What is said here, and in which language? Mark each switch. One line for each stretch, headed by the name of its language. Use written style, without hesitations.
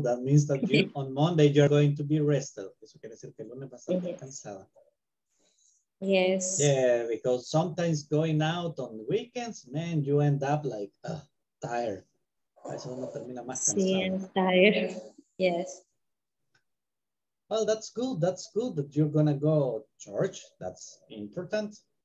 English: That means that you, on Monday, you're going to be rested.
Spanish: Eso quiere decir que el lunes vas a estar cansada.
English: Yes. Yeah, because sometimes going out on weekends, man, you end up like tired.
Spanish: Eso no termina más cansado.
English: Sí, I'm tired. Yes. Well, that's good. That's good that you're going to go to church. That's important.